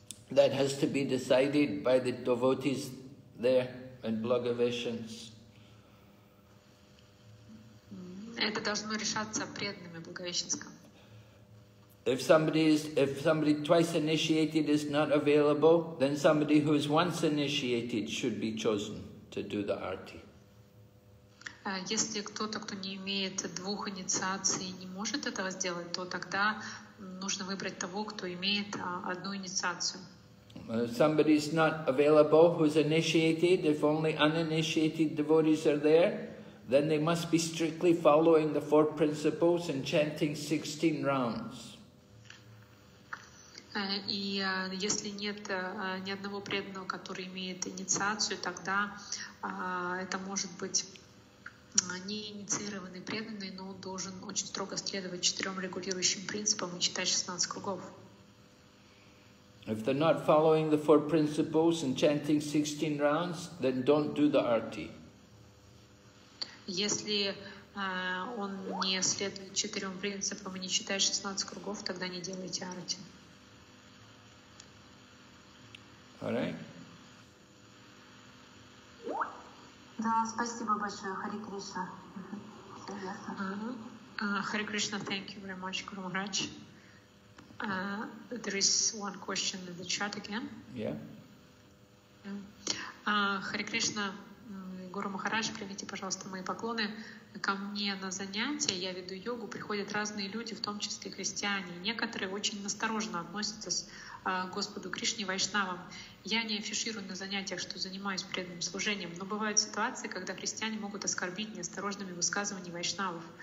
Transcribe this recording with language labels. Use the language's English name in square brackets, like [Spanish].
[English] That has to be decided by the devotees there in Blagoveshchens. [Russian] Это должно решаться преданными в Благовещенском. [English] If somebody twice initiated is not available, then somebody who is once initiated should be chosen to do the arti. [Russian] Если кто-то, кто не имеет двух инициаций, не может этого сделать, то тогда нужно выбрать того, кто имеет одну инициацию. [English] If somebody is not available who's initiated, if only uninitiated devotees are there, then they must be strictly following the four principles and chanting 16 rounds. [Russian] И если нет ни одного преданного, который имеет инициацию, тогда это может быть не инициированный преданный, но он должен очень строго следовать четырем регулирующим принципам и читать 16 кругов. [English] If they're not following the four principles and chanting 16 rounds, then don't do the arti. [Russian] Если он не следует четырем принципам и не читает 16 кругов, тогда не делайте арти. [English] All right. [Russian] Да, спасибо большое, Хари Кришна. [English] Хари Кришна, thank you very much, Guru Maharaj. There is one question in the chat again. Yeah. [Russian] Хари Кришна, Гуру Махарадж, примите, пожалуйста, мои поклоны. Ко мне на занятия, я веду йогу, приходят разные люди, в том числе христиане. Некоторые очень настороженно относятся к Господу Кришне и Вайшнавам. Я не афиширую на занятиях, что занимаюсь преданным служением, но бывают ситуации, когда христиане могут оскорбить неосторожными высказываниями вайшнавов.